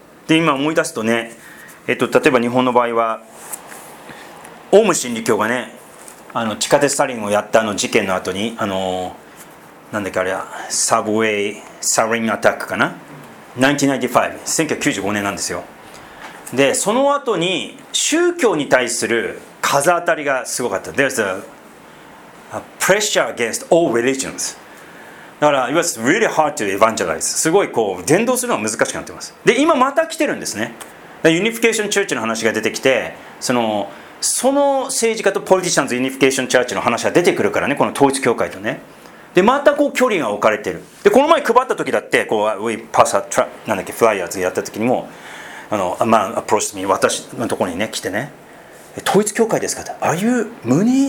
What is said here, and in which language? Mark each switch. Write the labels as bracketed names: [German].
[Japanese] で、今思い出すとね、例えば日本の場合は、オウム真理教がね、地下鉄サリンをやったあの事件の後に、なんだっけあれは、サブウェイサリンアタックかな ?1995、1995年なんですよ。で、その後に、宗教に対する風当たりがすごかった。 [English] There's a pressure against all religions. だから、It was really hard to evangelize. [Japanese] すごいこう伝道するのは難しくなってます。で、今また来てるんですね。ユニフィケーションチャーチの話が出てきて、その政治家とポリティシャンズユニフィケーションチャーチの話が出てくるからね、この統一教会とね。で、またこう距離が置かれてる。で、この前配った時だって、こう、 [English] We pass a trap, [Japanese] なんだっけ、フライヤーズやった時にも、 [English] A man approached me, [Japanese] 私のところにね、来てね、統一教会ですかって、 [English] Are you Mooney?